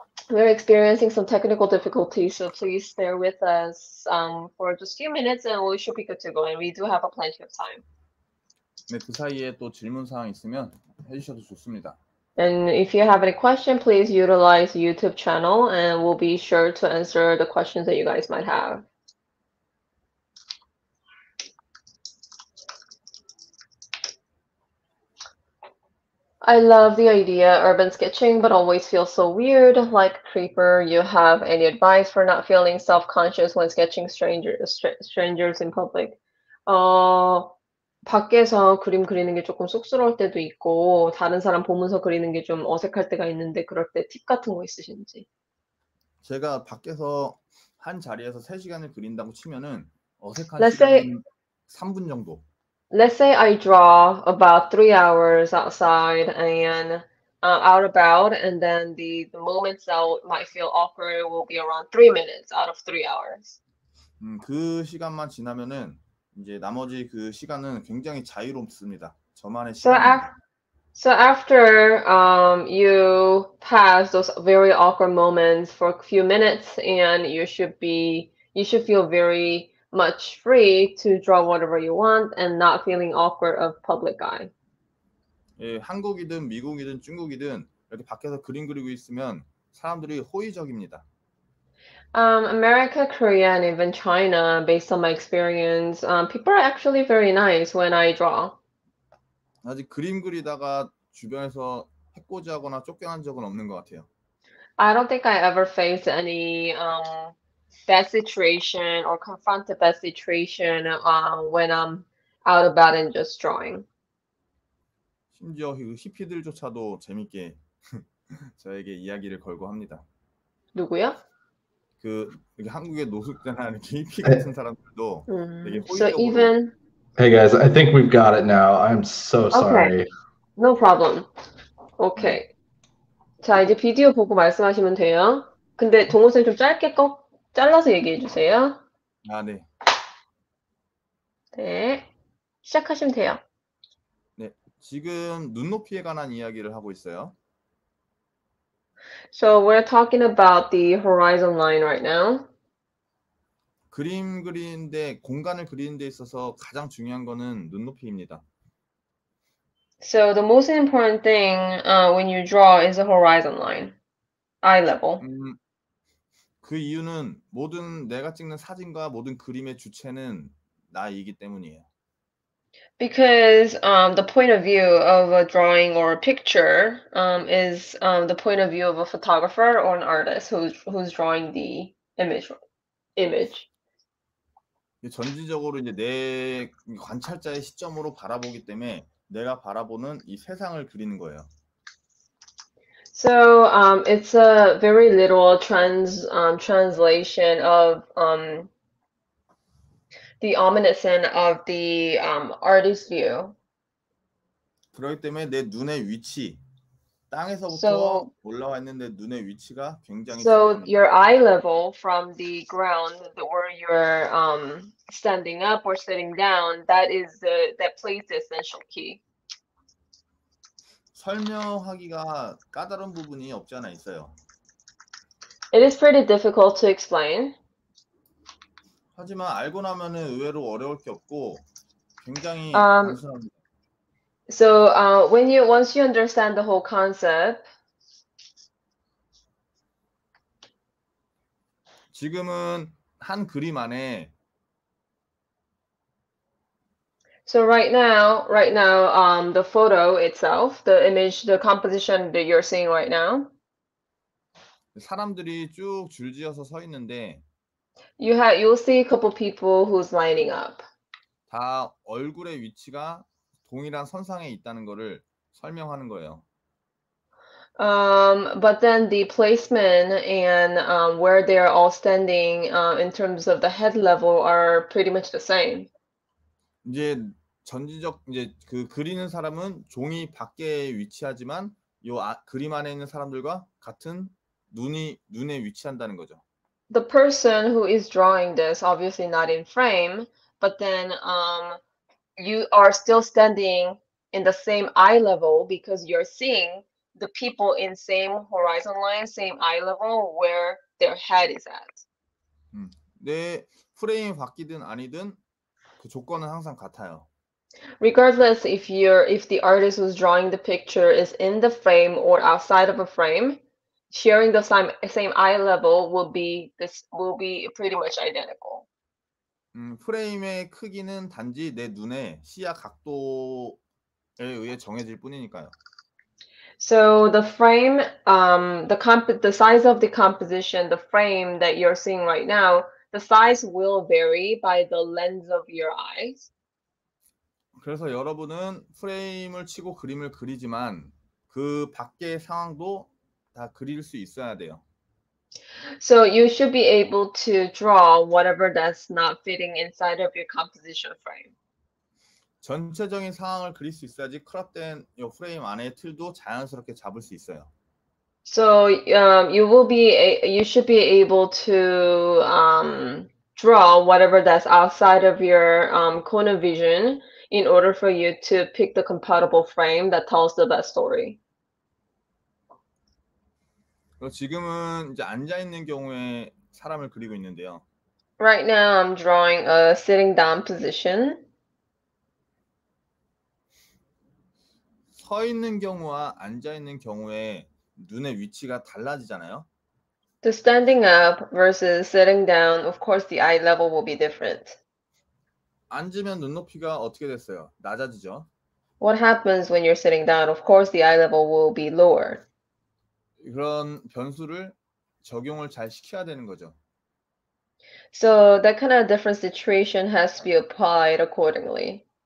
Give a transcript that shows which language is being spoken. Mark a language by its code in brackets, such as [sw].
[en] we're experiencing some technical difficulties, so please bear with us for just a few minutes and we should be good to go, and we do have a plenty of time. [ko] 네, 그 사이에 또 질문 사항 있으면 해주셔도 좋습니다. [en] And if you have any question, please utilize the YouTube channel and we'll be sure to answer the questions that you guys might have. I love the idea urban sketching, but always feel so weird, like creeper. You have any advice for not feeling self-conscious when sketching strangers in public? [ko] 밖에서 그림 그리는 게 조금 쑥스러울 때도 있고 다른 사람 보면서 그리는 게 좀 어색할 때가 있는데 그럴 때 팁 같은 거 있으신지? 제가 밖에서 한 자리에서 3시간을 그린다고 치면은 어색한 [en] Let's [ko] 시간은 [en] say... [ko] 3분 정도. [en] Let's say I draw about 3 hours outside and out about, and then the moments that might feel awkward will be around 3 minutes out of 3 hours. [ko] 그 시간만 지나면은 이제 나머지 그 시간은 굉장히 자유롭습니다. 저만의 시간. [en] So after you pass those very awkward moments for a few minutes, and you should feel very much free to draw whatever you want and not feeling awkward of public eye. [ko] 예, 한국이든 미국이든 중국이든 이렇게 밖에서 그림 그리고 있으면 사람들이 호의적입니다. [en] America, Korea, and even China, based on my experience, people are actually very nice when I draw. [ko] 아직 그림 그리다가 주변에서 해코지하거나 쫓겨난 적은 없는 것 같아요. [en] I don't think I ever faced any bad situation or confront a bad situation when I'm out about and just drawing. [ko] 심지어 히피들조차도 재밌게 저에게 이야기를 걸고 합니다. 누구요? 그 여기 한국의 노숙자나 히피 같은 사람들도 되게 호의적으로... [en] So even. Hey guys, I think we've got it now. I'm so sorry. Okay. No problem. Okay. [ko] 자 이제 비디오 보고 말씀하시면 돼요. 근데 동호선 좀 짧게 꺼. 잘라서 얘기해 주세요. 아, 네. 네. 시작하시면 돼요. 네. 지금 눈높이에 관한 이야기를 하고 있어요. [en] So, we're talking about the horizon line right now. [ko] 그림 그리는데 공간을 그리는 데 있어서 가장 중요한 거는 눈높이입니다. [en] So, the most important thing when you draw is the horizon line. Eye level. [ko] 그 이유는 모든 내가 찍는 사진과 모든 그림의 주체는 나이기 때문이에요. [en] Because the point of view of a drawing or a picture is the point of view of a photographer or an artist who's drawing the image. [ko] 전지적으로 이제 내 관찰자의 시점으로 바라보기 때문에 내가 바라보는 이 세상을 그리는 거예요. [en] So it's a very literal translation of the omniscient of the artist's view. [ko] 그렇기 때문에 내 눈의 위치, 땅에서부터 [en] so, [ko] 올라와 있는데 눈의 위치가 굉장히 [en] So your eye level from the ground or your standing up or sitting down, that is the that plays the essential key. [ko] 설명하기가 까다로운 부분이 없지 않아 있어요. [en] It is pretty difficult to explain. [ko] 하지만 알고 나면은 의외로 어려울 게 없고 굉장히 단순합니다. [en] So when you once you understand the whole concept [ko] 지금은 한 그림 안에 [en] So right now the photo itself the image the composition that you're seeing right now [ko] 사람들이 쭉 줄지어서 서 있는데 [en] you'll see a couple people who's lining up [ko] 다 얼굴의 위치가 동일한 선상에 있다는 거를 설명하는 거예요. [en] But then the placement and where they are all standing in terms of the head level are pretty much the same. [ko] 이제 전지적 이제 그 그리는 사람은 종이 밖에 위치하지만 요 아, 그림 안에 있는 사람들과 같은 눈에 위치한다는 거죠. [en] The person who is drawing this obviously not in frame, but then you are still standing in the same eye level because you're seeing the people in same horizon line, same eye level where their head is at. [ko] 네, 프레임이 바뀌든 아니든 그 조건은 항상 같아요. [en] Regardless if you're if the artist who's drawing the picture is in the frame or outside of a frame, sharing the same eye level will be pretty much identical. [ko] 프레임의 크기는 단지 내 눈의 시야 각도에 의해 정해질 뿐이니까요. [en] So the frame, the size of the composition, the frame that you're seeing right now, the size will vary by the lens of your eyes. [ko] 그래서 여러분은 프레임을 치고 그림을 그리지만 그 밖의 상황도 다 그릴 수 있어야 돼요. [en] So you should be able to draw whatever that's not fitting inside of your composition frame. [ko] 전체적인 상황을 그릴 수 있어야지 크롭된 요 프레임 안의 틀도 자연스럽게 잡을 수 있어요. [en] So you should be able to draw whatever that's outside of your cone of vision in order for you to pick the compatible frame that tells the best story. [ko] 지금은 이제 앉아 있는 경우에 사람을 그리고 있는데요. [en] Right now I'm drawing a sitting down position. [ko] 서 있는 경우와 앉아 있는 경우에 눈의 위치가 달라지잖아요. [en] The standing up versus sitting down, of course the eye level will be different. [ko] 앉으면 눈높이가 어떻게 됐어요? 낮아지죠. [en] What happens when you're sitting down? Of course the eye level will be lower. [ko] 그런 변수를 적용을 잘 시켜야 되는 거죠. [en] So that kind of different situation has to be applied accordingly.